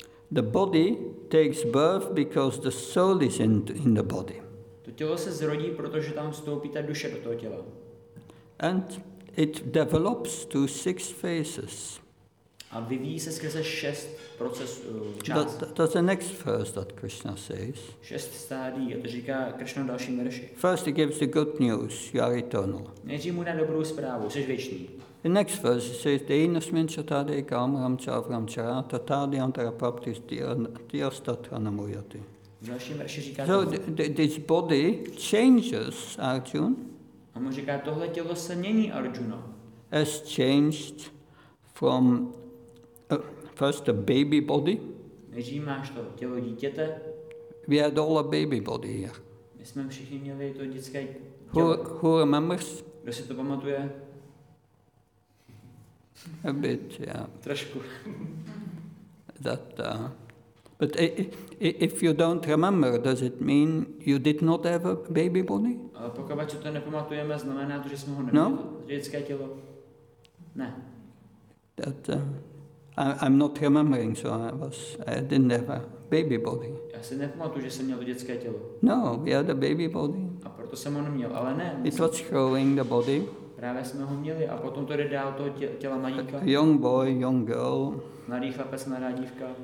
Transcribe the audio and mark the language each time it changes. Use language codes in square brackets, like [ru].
[en] The body takes birth because the soul is in the body. [cs] To tělo se zrodí, protože tam vstoupí ta duše do toho těla. [en] And it develops to six phases. [cs] A vyvíjí se skrze šest procesů. [en] That's the next verse that Krishna says. [cs] Šest stádií, a to říká Krishna v dalším verši. [en] First he gives the good news, you are eternal. [cs] Nejdřív mu dá dobrou zprávu, jsi věčný. [en] The next verse says, [sa] Deinasmin chatade kam ram cha vram cha tatade antara praptis tiyastatra namuyati. [en] So this body changes, Arjuna. [cs] A mu říká, tohle tělo se mění, Arjuna. [en] Has changed from first a baby body. [cs] Nejdřív máš to tělo dítěte. [en] We had all a baby body here. [cs] My jsme všichni měli to dětské [en] tělo. Who remembers? [cs] Kdo si to pamatuje? [en] A bit, yeah. [cs] Trošku. [en] But if you don't remember, does it mean you did not have a baby body? [cs] Pokud si to nepamatujeme, znamená to, že jsme ho neměli. No? Dětské tělo. Ne. [en] I'm not remembering, so I didn't have a baby body. [cs] Já si nepamatuju, že jsem měl to dětské tělo. [en] No, we had a baby body. [cs] A proto jsem ho neměl, ale ne. [en] It was growing the body. [cs] Právě jsme ho měli a potom to jde dál toho těla malíka. [en] A young boy, young girl. [cs] Mladý chlapec, mladá dívka.